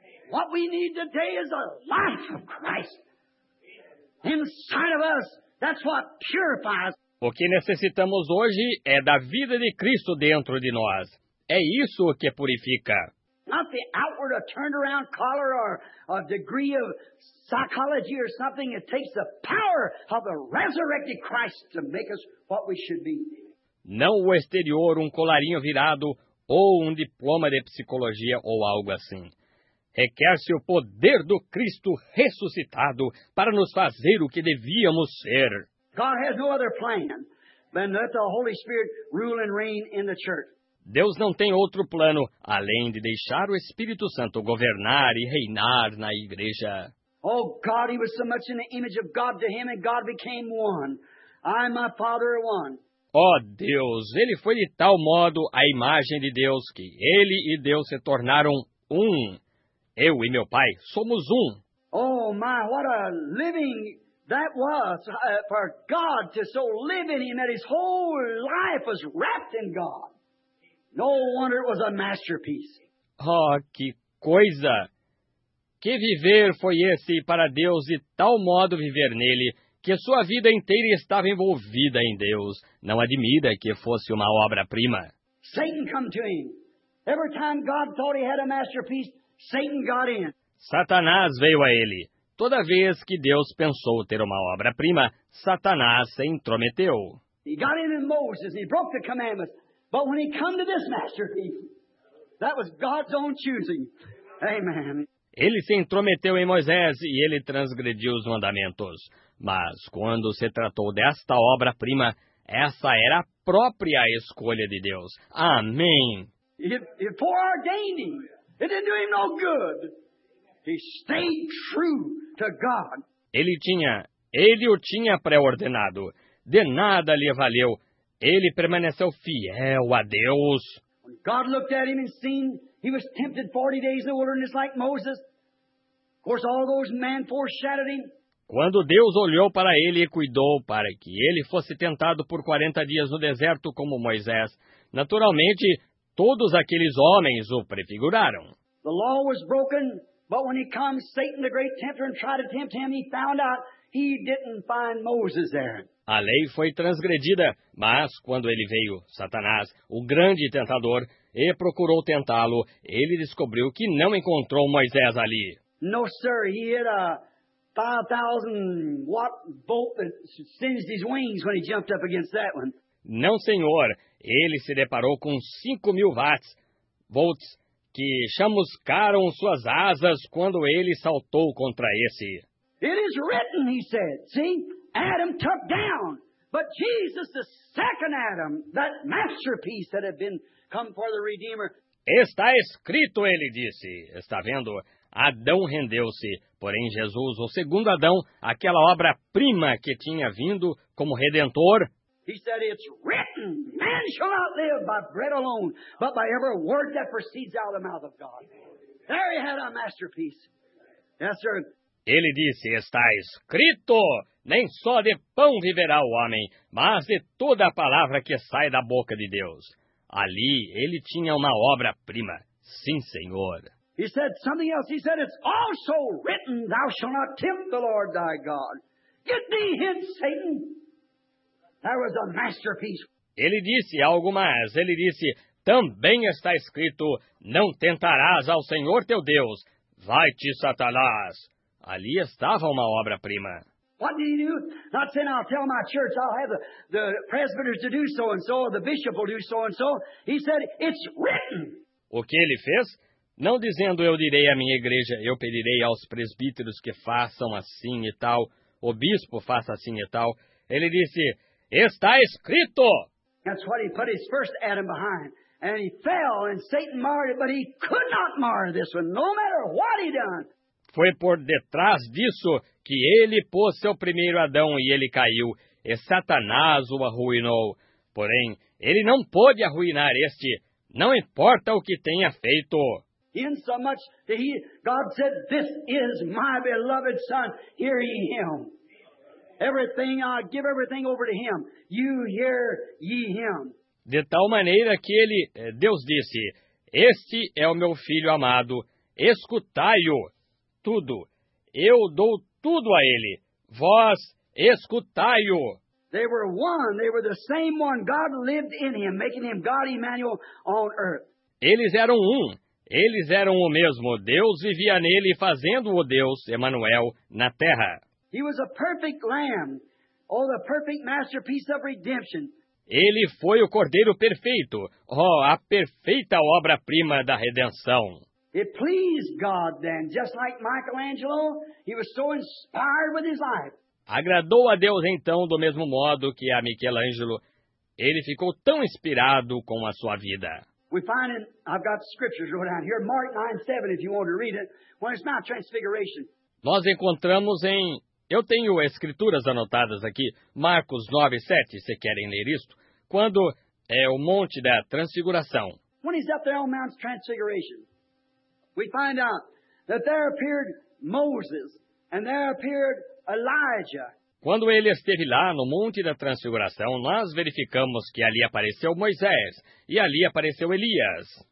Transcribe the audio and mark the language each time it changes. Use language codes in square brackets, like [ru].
[en] What we need today is a life of Christ. Inside of us, that's what purifies. [pt] O que necessitamos hoje é da vida de Cristo dentro de nós. É isso que purifica. [en] Not the outward a turned-around collar or a degree of psychology or something. It takes the power of the resurrected Christ to make us what we should be. [pt] Não o exterior, um colarinho virado ou um diploma de psicologia ou algo assim. Requer-se o poder do Cristo ressuscitado para nos fazer o que devíamos ser. [en] God has no other plan than let the Holy Spirit rule and reign in the church. [pt] Deus não tem outro plano além de deixar o Espírito Santo governar e reinar na igreja. [en] Oh God, he was so much in the image of God to him and God became one. I and my Father are one. [pt] Oh Deus, ele foi de tal modo a imagem de Deus que ele e Deus se tornaram um. Eu e meu Pai somos um. [en] Oh, my, what a living that was for God to so live in him that his whole life was wrapped in God. No wonder it was a masterpiece. [pt] Oh, que coisa! Que viver foi esse para Deus e tal modo viver nele que sua vida inteira estava envolvida em Deus. Não admira que fosse uma obra-prima. [en] Satan come to him. Every time God thought he had a masterpiece, Satan got in. [pt] Satanás veio a ele. Toda vez que Deus pensou ter uma obra-prima, Satanás se intrometeu. [en] He got in Moses, he broke the commandments. But when he come to this masterpiece, that was God's own choosing. Amen. [pt] Ele se intrometeu em Moisés e ele transgrediu os mandamentos. Mas quando se tratou desta obra-prima, essa era a própria escolha de Deus. Amém. [en] It foreordained him. It didn't do him no good. He stayed true to God. [pt] Ele o tinha pré-ordenado. De nada lhe valeu. Ele permaneceu fiel a Deus. [en] When God looked at him and seen he was tempted 40 days in the wilderness like Moses. Of course, all those men foreshadowed him. [pt] Quando Deus olhou para ele e cuidou para que ele fosse tentado por 40 dias no deserto como Moisés, naturalmente, todos aqueles homens o prefiguraram. [en] The law was broken, but when he comes, Satan, the great tempter, and tried to tempt him, he found out he didn't find Moses there. [pt] A lei foi transgredida, mas quando ele veio, Satanás, o grande tentador, e procurou tentá-lo, ele descobriu que não encontrou Moisés ali. [en] No, sir, he had a 5,000 watt bolt that singed his wings when he jumped up against that one. [pt] Não, senhor, ele se deparou com 5,000 volts que chamuscaram suas asas quando ele saltou contra esse. [en] It is written, he said. See, Adam took down, but Jesus, the second Adam, that masterpiece that had been come for the Redeemer. [pt] Está escrito, ele disse. Está vendo? Adão rendeu-se, porém Jesus, o segundo Adão, aquela obra-prima que tinha vindo como Redentor. [en] He said, it's written, man shall not live by bread alone, but by every word that proceeds out of the mouth of God. There he had a masterpiece. Yes, sir. [pt] Ele disse, está escrito, nem só de pão viverá o homem, mas de toda a palavra que sai da boca de Deus. Ali ele tinha uma obra-prima. Sim, senhor. [en] He said something else. He said, it's also written, thou shalt not tempt the Lord thy God. Get thee hence, Satan. That was a masterpiece. [pt] Ele disse algo mais. Ele disse, também está escrito, não tentarás ao Senhor teu Deus. Vai-te, Satanás. Ali estava uma obra-prima. [en] What did he do? Not saying, I'll tell my church, I'll have the presbyters to do so and so, the bishop will do so and so. He said, it's written. [pt] O que ele fez? Não dizendo, eu direi à minha igreja, eu pedirei aos presbíteros que façam assim e tal, o bispo faça assim e tal. Ele disse, está escrito! [en] That's what he put his first Adam behind. And he fell, and Satan marred it, but he could not mar this one, no matter what he done. [pt] Foi por detrás disso que ele pôs seu primeiro Adão e ele caiu, e Satanás o arruinou. Porém, ele não pôde arruinar este, não importa o que tenha feito. [en] In so much that he, God said, this is my beloved son, hear ye him. Everything, I give everything over to him. You hear ye him. [pt] De tal maneira que ele, Deus disse, este é o meu filho amado, escutai-o, tudo. Eu dou tudo a ele, vós escutai-o. [en] They were one, they were the same one. God lived in him, making him God Emmanuel on earth. [pt] Eles eram um. Eles eram o mesmo. Deus vivia nele, fazendo-o Deus, Emmanuel, na terra. [en] He was a perfect lamb, oh, the perfect masterpiece of redemption. [pt] Ele foi o cordeiro perfeito, oh, a perfeita obra-prima da redenção. [en] It pleased God then, just like Michelangelo, he was so inspired with his life. [pt] Agradou a Deus então, do mesmo modo que a Michelangelo, ele ficou tão inspirado com a sua vida. [en] We find in, I've got scriptures wrote down here, Mark 9:7, if you want to read it, when it's Mount Transfiguration. [pt] Nós encontramos em, eu tenho escrituras anotadas aqui, Marcos 9:7, se querem ler isto, quando é o Monte da Transfiguração. [en] When he's up there on Mount Transfiguration, we find out that there appeared Moses, and there appeared Elijah. [pt] Quando ele esteve lá no Monte da Transfiguração, nós verificamos que ali apareceu Moisés e ali apareceu Elias.